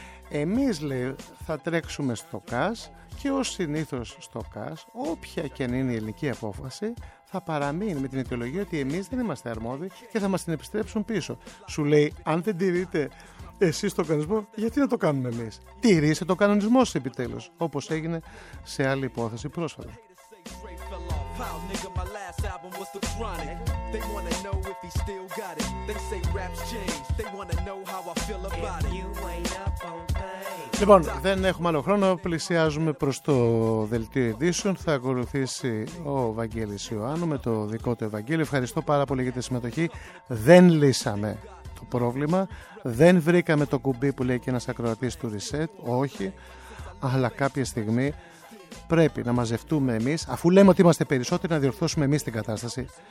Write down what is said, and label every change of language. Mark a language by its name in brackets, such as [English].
[Greek] Εμείς, λέει, θα τρέξουμε στο ΚΑΣ και ως συνήθως στο ΚΑΣ, όποια και αν είναι η ελληνική απόφαση, θα παραμείνει με την αιτιολογία ότι εμείς δεν είμαστε αρμόδιοι και θα μας την επιστρέψουν πίσω. Σου λέει, αν δεν τηρείτε εσείς τον κανονισμό, γιατί να το κάνουμε εμείς. Τηρήστε τον κανονισμό σας επιτέλους, όπως έγινε σε άλλη υπόθεση πρόσφατα. [English] Nigga, my last album was the chronic. They wanna know if he still got it. They say raps change. They wanna know how I feel about it. You ain't up on pain. [Greek] Λοιπόν, δεν έχουμε άλλο χρόνο, πλησιάζουμε προς το Δελτίο Ειδήσεων. Θα ακολουθήσει ο Βαγγέλης Ιωάννου με το δικό του Ευαγγέλιο. Ευχαριστώ πάρα πολύ για τη συμμετοχή. Δεν λύσαμε το πρόβλημα, δεν βρήκαμε το κουμπί που λέει και ένας ακροατής του reset, όχι, αλλά κάποια στιγμή πρέπει να μαζευτούμε εμείς, αφού λέμε ότι είμαστε περισσότεροι, να διορθώσουμε εμείς την κατάσταση.